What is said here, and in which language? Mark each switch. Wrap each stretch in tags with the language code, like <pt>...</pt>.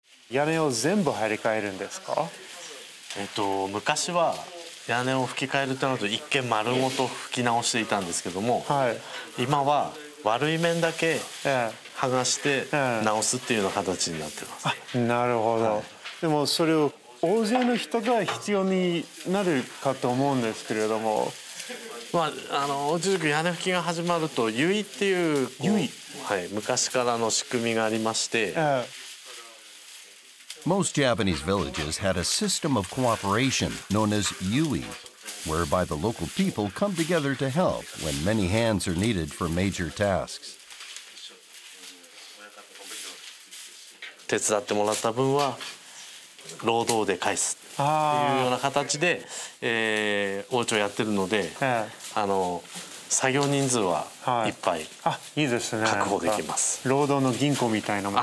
<ja>屋根を全部張り替えるんですか？昔は屋根を吹き替えるとなると一見丸ごと吹き直していたんですけども、今は悪い面だけ剥がして直すっていう形になってます。なるほど。でもそれを大勢の人が必要になるかと思うんですけれども。まああの落ち着く屋根葺きが始まると結衣っていう、はい、昔からの仕組みがありまして、</ja> <en>Most Japanese villages had a system of cooperation known as yui, whereby the local people come together to help when many hands are needed for major tasks.</en> <ja>手伝ってもらった分は労働で返すっていうような形で、王朝やってるので、あの作業人数はいっぱい、はい、あ、いいですね、確保できます。労働の銀行みたいなもん</ja>